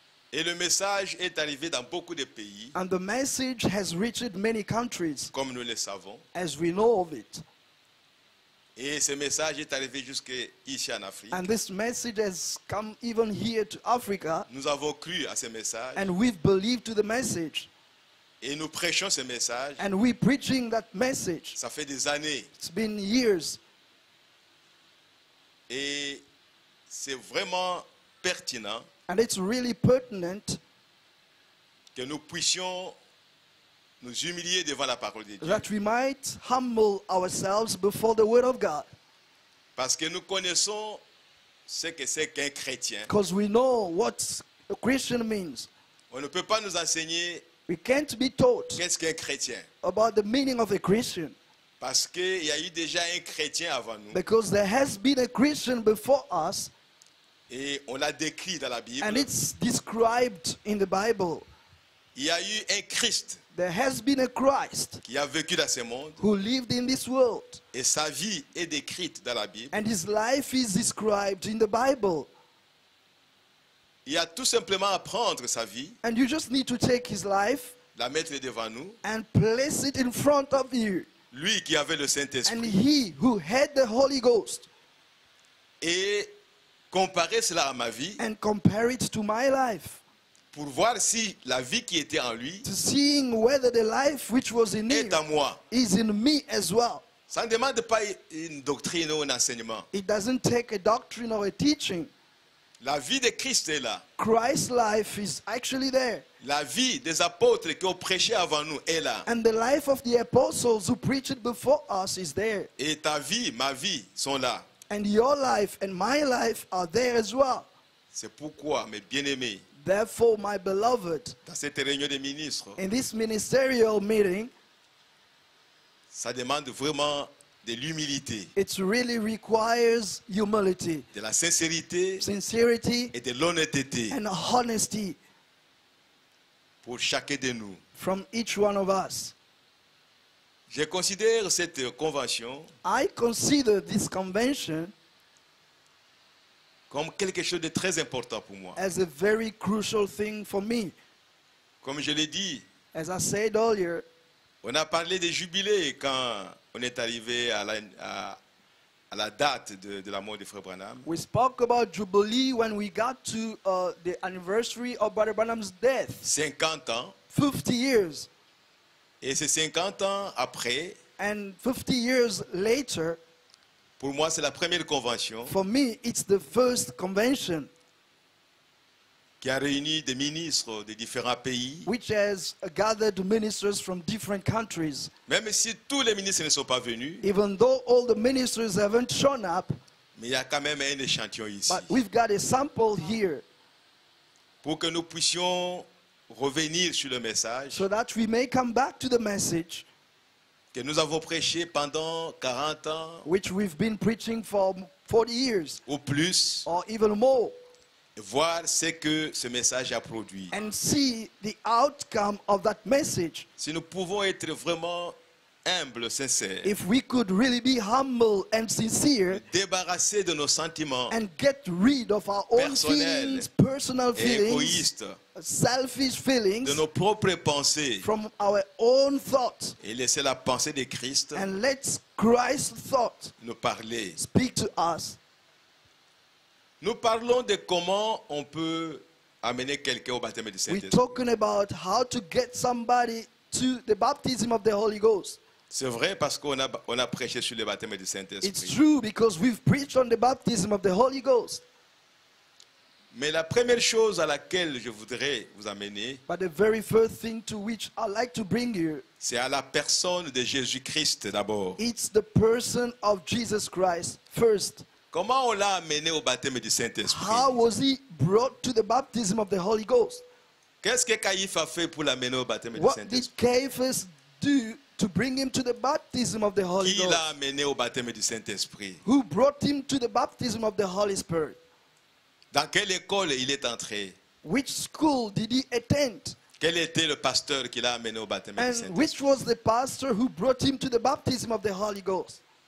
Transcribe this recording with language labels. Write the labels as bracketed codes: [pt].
[fr] Et le message est arrivé dans beaucoup de pays. [en] And the message has reached many countries. [fr] Comme nous le savons. [en] As we know of it. [fr] Et ce message est arrivé jusque ici en Afrique. [en] And this message has come even here to Africa. [fr] Nous avons cru à ce message. [en] And we've believed to the message. [fr] Et nous prêchons ce message. [en] And we're preaching that message. [fr] Ça fait des années. [en] It's been years. [fr] Et c'est vraiment pertinent. [en] And it's really pertinent [fr] que nous puissions nous humilier devant la parole de Dieu. [en] That we might humble ourselves before the word of God. [fr] Parce que nous connaissons ce que c'est qu'un chrétien. [en] Because we know what a Christian means. [fr] On ne peut pas nous enseigner. [en] We can't be taught. [fr] Qu'est-ce qu'un chrétien? [en] About the meaning of a Christian. [fr] Parce que il y a eu déjà un chrétien avant nous. [en] Because there has been a Christian before us. [fr] Et on l'a décrit dans la Bible. [en] And it's described in the Bible. [fr] Il y a eu un Christ. [en] There has been a Christ. [fr] Qui a vécu dans ce monde. [en] Who lived in this world. [fr] Et sa vie est décrite dans la Bible. [en] And his life is described in the Bible. [fr] Il y a tout simplement à prendre sa vie. [en] And you just need to take his life. [fr] La mettre devant nous. [en] And place it in front of you. [fr] Lui qui avait le Saint-Esprit. [en] And he who had the Holy Ghost. [fr] Et comparer cela à ma vie. [en] And compare it to my life. [fr] Pour voir si la vie qui était en lui. [en] To seeing whether the life which was in [fr] est en moi. [en] Is in me as well. [fr] Ça ne demande pas une doctrine ou un enseignement. [en] It doesn't take a doctrine or a teaching. [fr] La vie de Christ est là. [en] Christ's life is actually there. [fr] La vie des apôtres qui ont prêché avant nous est là. [en] And the life of the apostles who preached before us is there. [fr] Et ta vie, ma vie sont là. [en] And your life and my life are there as well. [fr] C'est pourquoi, mes bien-aimés, [en] therefore, my beloved, [fr] dans cette réunion des ministres, [en] in this ministerial meeting, [fr] ça demande vraiment de l'humilité, [en] it really requires humility, [fr] de la sincérité, [en] sincerity, [fr] et de l'honnêteté, [en] and honesty, [fr] pour chacun de nous, [en] from each one of us. [fr] Je considère cette convention, [en] I consider this convention [fr] comme quelque chose de très important pour moi. [en] As a very crucial thing for me. [fr] Comme je l'ai dit, [en] as I said earlier, [fr] on a parlé des jubilés quand on est arrivé à la date de la mort de Frère Branham. [en] We spoke about jubilee when we got to the anniversary of Brother Branham's death. [fr] 50 ans. [en] 50 years. [fr] Et c'est 50 ans après. [en] And 50 years later. [fr] Pour moi, c'est la première convention. [en] For me, it's the first convention. [fr] Qui a réuni des ministres de différents pays. [en] Which has gathered ministers from different countries. [fr] Même si tous les ministres ne sont pas venus. [en] Even though all the ministers haven't shown up. [fr] Mais il y a quand même un échantillon ici. [en] But we've got a sample here. [fr] Pour que nous puissions revenir sur le message, [en] so that we may come back to the message [fr] que nous avons prêché pendant 40 ans, [en] which we've been preaching for 40 years, [fr] ou plus, [en] or even more, [fr] voir ce que ce message a produit. [en] And see the outcome of that message. [fr] Si nous pouvons être vraiment humbles, sincères, [en] if we could really be humble and sincere, [fr] débarrassés de nos sentiments, [en] and get rid of our own feelings, personal feelings, [fr] égoïstes, [en] selfish feelings, [fr] de nos propres pensées, [en] from our own thoughts, [fr] et laisser la pensée de Christ, [en] and let Christ's thought [fr] nous parler, [en] speak to us. [fr] Nous parlons de comment on peut amener quelqu'un au baptême du Saint-Esprit. [en] We're talking about how to get somebody to the baptism of the Holy Ghost. [fr] C'est vrai parce qu'on a prêché sur le baptême du Saint-Esprit. [en] It's true because we've preached on the baptism of the Holy Ghost. [fr] Mais la première chose à laquelle je voudrais vous amener, [en] but the very first thing to which I'd like to bring you, [fr] c'est à la personne de Jésus-Christ d'abord. [en] It's the person of Jesus Christ first. [fr] Comment on l'a amené au baptême du Saint-Esprit? [en] How was he brought to the baptism of the Holy Ghost? [fr] Qu'est-ce que Caïphe a fait pour l'amener au baptême [en] What [fr] du Saint-Esprit? [en] What did Caiaphas do to bring him to the baptism of the Holy [fr] Qui [en] Ghost? [fr] Qui l'a amené au baptême du Saint-Esprit? [en] Who brought him to the baptism of the Holy Spirit? [fr] Dans quelle école il est entré? [en] Which school did he attend? [fr] Quel était le pasteur qui l'a amené au baptême [en] And [fr] du Saint-Esprit? [en] And which was the pastor who brought him to the baptism of the Holy Ghost?